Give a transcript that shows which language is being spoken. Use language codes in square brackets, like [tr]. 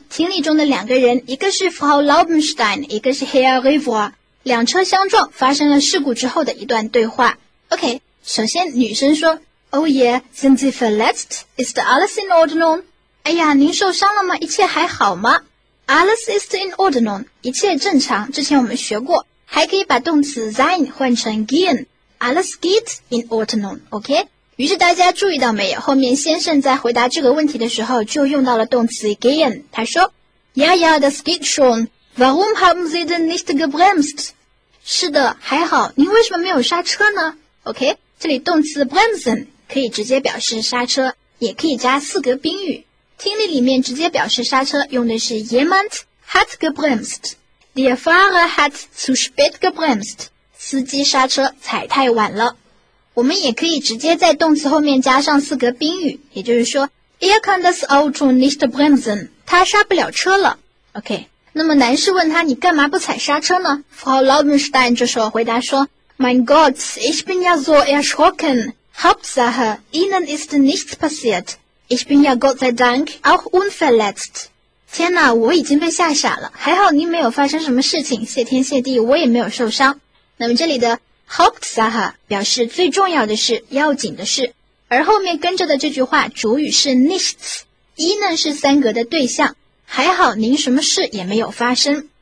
[zh] 听力中的两个人，一个是 Frau Laubenstein， 一个是 Herr Rivoire， 两车相撞发生了事故之后的一段对话。 [de] OK， [zh] 首先女生说 [de] ：“Oh yeah, sind Sie verletzt? Ist alles in Ordnung？” [zh] 哎呀，您受伤了吗？一切还好吗 ？ [de] Alles ist in Ordnung， [zh] 一切正常。之前我们学过，还可以把动词 sein 换成 gehen， [de] alles geht in Ordnung。 OK。 [zh] 于是大家注意到没有，后面先生在回答这个问题的时候就用到了动词 gehen， 他说 [de] Ja, ja, das geht schon. Warum haben Sie denn nicht gebremst? [zh] 是的，还好，您为什么没有刹车呢？OK， 这里动词 bremsen 可以直接表示刹车，也可以加四格宾语。听力里面直接表示刹车用的是 [de] jemand hat gebremst. Der Fahrer hat zu spät gebremst. [zh] 司机刹车踩太晚了。我们也可以直接在动词后面加上四格宾语，也就是说 [de] Er kann das Auto nicht bremsen， [zh] 他刹不了车了。 OK， 那么男士问他你干嘛不踩刹车呢？ [de] Frau Laubenstein [zh] 这时候回答说 [de] Mein Gott, ich bin ja so erschrocken. Hauptsache, Ihnen ist nichts passiert. Ich bin ja Gott sei Dank auch unverletzt. [zh] 天哪，我已经被吓傻了，还好您没有发生什么事情，谢天谢地我也没有受伤。那么这里的Hauptsache 表示最重要的是要紧的是，而后面跟着的这句话主语是 nichts， 一呢是三格的对象，还好您什么事也没有发生。